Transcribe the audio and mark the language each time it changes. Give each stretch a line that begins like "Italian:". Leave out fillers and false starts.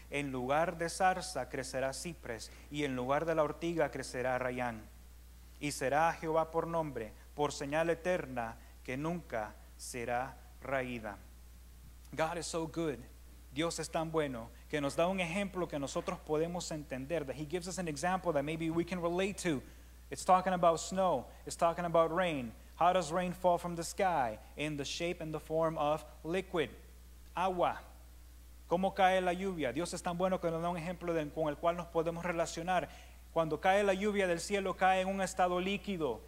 Spanish: En lugar de zarza crecerá ciprés, y en lugar de la ortiga crecerá rayán. Y será Jehová por nombre, por señal eterna, que nunca será raída.
English: God is so good.
Spanish: Dios es tan bueno, que nos da un ejemplo que nosotros podemos entender.
English: That he gives us an example that maybe we can relate to. It's talking about snow. It's talking about rain. How does rain fall from the sky? In the shape and the form of liquid.
Spanish: Agua. ¿Cómo cae la lluvia? Dios es tan bueno que nos da un ejemplo con el cual nos podemos relacionar. Cuando cae la lluvia del cielo, cae en un estado líquido.